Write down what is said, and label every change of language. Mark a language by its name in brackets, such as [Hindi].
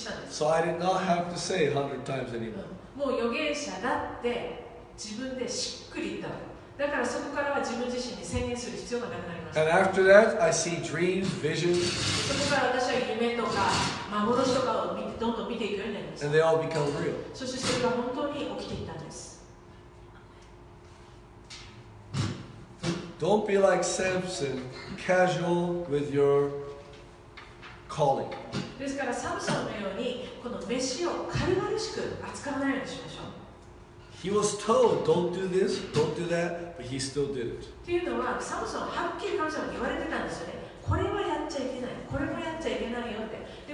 [English] So I did not have to say 100 times anymore. [Japanese] もう預言者だって自分でしっくり言った。だからそこからは自分自身に宣言する必要がなくなりました。 [English] And after that, I see dreams, visions. [Japanese] そこから私は夢とか幻とかを見て。 [English] And they all become real. [Japanese] そしてそれが本当に起きていたんです。 [English] Don't be like Samson, casual with your calling. [Japanese] ですからサムソンのようにこの飯を軽々しく扱わないようにしましょう。 [English] He was told, don't do this, don't do that, but he still did it. [Japanese] っていうのはサムソンはっきり神様に言われてたんですよね。これはやっちゃいけない、これもやっちゃいけないよって。